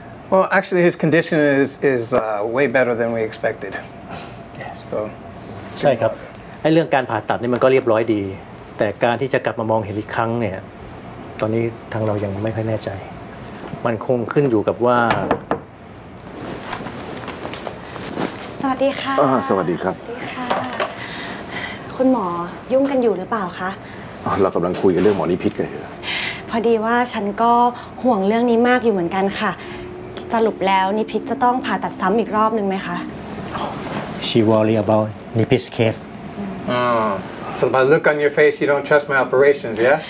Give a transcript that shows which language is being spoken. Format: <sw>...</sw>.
<en>Well, actually, his condition is way better than we expected. Yes. So.</en> <th>ใช่ครับไอ้เรื่องการผ่าตัดนี่มันก็เรียบร้อยดีแต่การที่จะกลับมามองเห็นอีกครั้งเนี่ยตอนนี้ทางเรายังไม่ค่อยแน่ใจมันคงขึ้นอยู่กับว่า สวัสดีค่ะ สวัสดีครับ สวัสดีค่ะคุณหมอยุ่งกันอยู่หรือเปล่าคะ เรากำลังคุยกันเรื่องหมอนิพิษกันอยู่ พอดีว่าฉันก็ห่วงเรื่องนี้มากอยู่เหมือนกันค่ะสรุปแล้วนิพิษจะต้องผ่าตัดซ้ำอีกรอบนึงไหมคะ</th> <en>She worry about Nipit's case. So by look on your face, you don't trust my operations, yeah?</en>